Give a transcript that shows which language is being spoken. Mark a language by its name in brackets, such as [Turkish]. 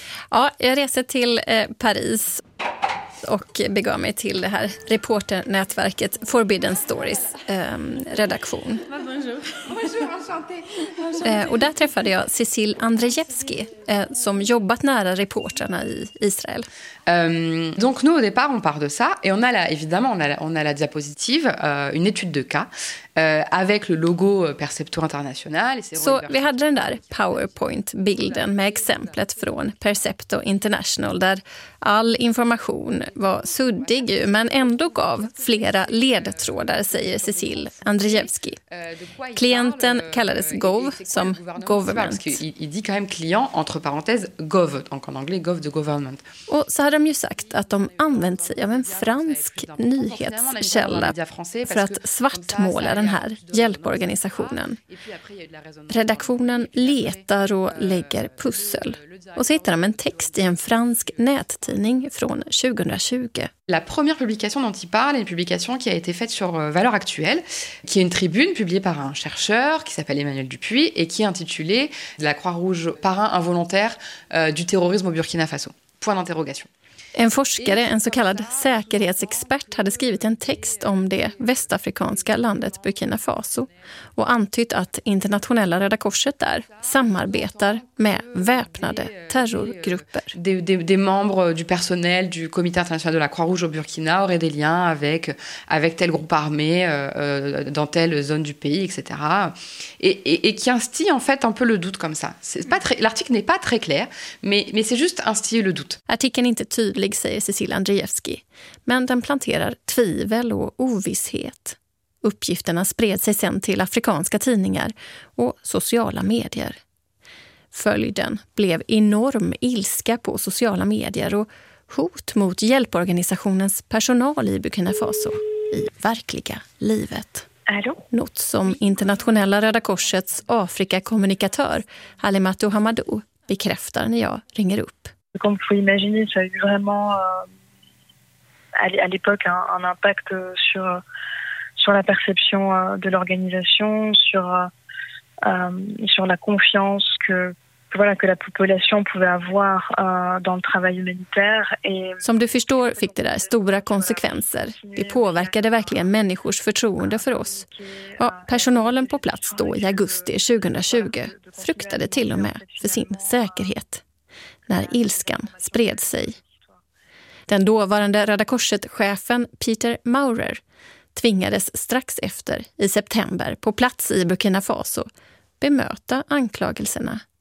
[Swedish] Ja, jag reser till Paris och begav mig till det här reporternätverket Forbidden Stories redaktion. Och där träffade jag Cécile Andrzejewski som jobbat nära reporterna i Israel. [French] Donc nous au départ on part de ça et on a la, évidemment on a la diapositive une étude de cas avec le logo Percepto International. [Swedish] Så vi hade den där PowerPoint-bilden med exemplet från Percepto International där all information var suddig men ändå gav flera ledtrådar, säger Cécile Andrzejewski. Klienten kallades Gov som government. [French] Il dit quand même client entre parenthèses Gov donc en anglais Gov de government. [Swedish] Och så hade de ju sagt att de använt sig av en fransk nyhetskälla för att svartmåla den här hjälporganisationen. Redaktionen letar och lägger pussel och så hittar de en text i en fransk nättidning från 2020. [French] La première publication dont il parle est une publication qui a été faite sur Valeurs Actuelles, qui est une tribune publiée par un chercheur qui s'appelle Emmanuel Dupuis et qui est intitulée « La Croix-Rouge parrain involontaire du terrorisme au Burkina Faso ». Point d'interrogation. [Swedish] En forskare, en så kallad säkerhetsexpert, hade skrivit en text om det västafrikanska landet Burkina Faso och antytt att internationella Röda Korset där samarbetar med väpnade terrorgrupper. [French] Des membres du personnel du comité international de la Croix-Rouge au Burkina aurait des liens avec tel groupe armé dans telle zone du pays, etc. Et qui instille en fait un peu le doute comme ça. C'est pas très, l'article n'est pas très clair, mais c'est juste instiller le doute. [Swedish] Artikeln är inte tydlig, säger Cécile Andrzejewski. Men den planterar tvivel och ovisshet. Uppgifterna spred sig sen till afrikanska tidningar och sociala medier. Följden blev enorm ilska på sociala medier och hot mot hjälporganisationens personal i Burkina Faso i verkliga livet. Något som internationella Röda Korsets Afrika-kommunikatör Halimatu Hamadou bekräftar när jag ringer upp. [French] Comme vous pouvez imaginer, ça a eu vraiment à l'époque un impact sur la perception de l'organisation, sur la confiance que la population pouvait avoir dans le travail humanitaire. Et [Swedish] som du förstår fick det där stora konsekvenser. Det påverkade verkligen människors förtroende för oss. Ja, personalen på plats då i augusti 2020 fruktade till och med för sin säkerhet. När ilskan spred sig. Den dåvarande Röda Korset-chefen Peter Maurer tvingades strax efter i september på plats i Burkina Faso bemöta anklagelserna.